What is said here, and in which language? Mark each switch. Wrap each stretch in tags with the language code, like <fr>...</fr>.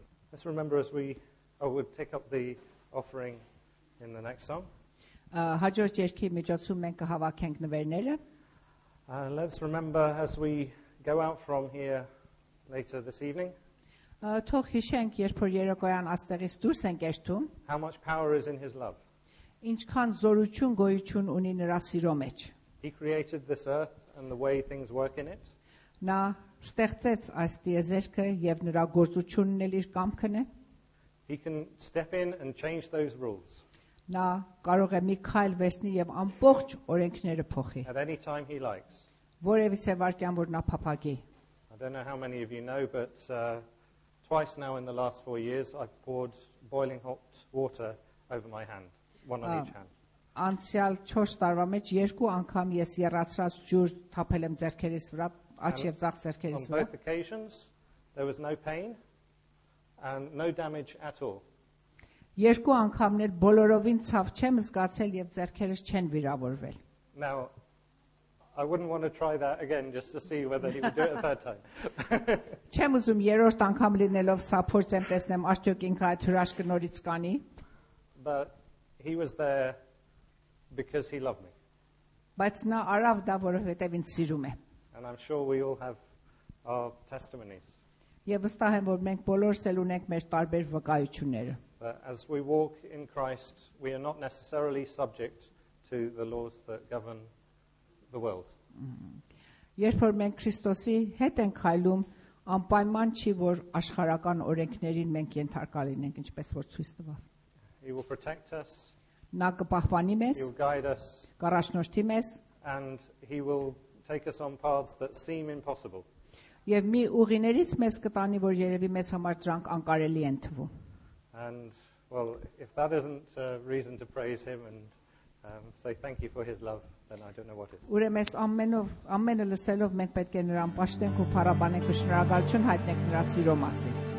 <en>Let's remember as we would take up the offering in the next song.</en> <hy>Հաջորդ երգի միջոցում մենք կհավաքենք նվերները.</hy> <en>Let's remember as we go out from here later this evening.</en> <hy>Թող հիշենք, երբ որ երեկոյան աստեղից դուրս ենք երթում.</hy> <en>How much power is in his love?</en> <hy>Ինչքան զորություն գոյություն ունի նրա սիրո մեջ.</hy> <en>He created this earth and the way things work in it.</en> <hy>Նա ստեղծեց այս տիեզերքը եւ նրա գործությունն էլ իր կամքն է.</hy> <en>He can step in and change those rules.</en> <hy>Նա կարող է մի քայլ վերցնի եւ ամբողջ օրենքները փոխի.</hy> <en>At any time he likes.</en> <hy>Որևիցե վարքյան որ նա փափագի.</hy> <en>I don't know how many of you know, but twice now in the last 4 years I've poured boiling hot water over my hand, one on each hand.</en> <hy>Անցյալ 4 տարվա մեջ երկու անգամ ես երածրած ջուր թափել եմ ձեռքերիս վրա, աջ եւ ձախ ձեռքերիս</hy> <en>վրա. On both occasions there was no pain and no damage at all.</en> <hy>Երկու անգամներ բոլորովին ցավ չեմ զգացել եւ ձեռքերս չեն վիրավորվել.</hy> <en>Now I wouldn't want to try that again just to see whether he would do it a third time.</en> <hy>Չեմ ուզում երրորդ անգամ լինելով սա փորձեմ տեսնեմ արդյոք ինքը այդ հրաշքը նորից կանի.</hy> <en>But he was there because he loved me.</en> <hy>Բայց նա արավ դա որովհետեւ ինձ սիրում է.</hy> <en>And I'm sure we all have our testimonies.</en> <hy>Եվ վստահ եմ որ մենք բոլորս էլ ունենք մեր տարբեր վկայությունները.</hy> <en>But as we walk in Christ, we are not necessarily subject to the laws that govern the world.</en> <hy>Երբ որ մենք Քրիստոսի հետ ենք քայլում, անպայման չի որ աշխարական օրենքներին մենք ենթարկվ լինենք, ինչպես որ ցույց տվավ.</hy> <en>He will protect us.</en> <hy>Նա կպահպանի մեզ.</hy> <en>He will guide us.</en> <hy>Կառաջնորդի մեզ.</hy> <en>And he will take us on paths that seem impossible.</en> <hy>Եվ մի ուղիներից մեզ կտանի, որ երևի մեզ համար դրանք անկարելի են թվում.</hy> <en>And well, if that isn't a reason to praise him and say thank you for his love, then I don't know what is.</en> <hy>Ուրեմն ամենով ամենը լսելով մենք պետք է նրան պաշտենք ու փառաբանենք ու շնորհակալություն հայտնենք նրա սիրո մասին։</hy>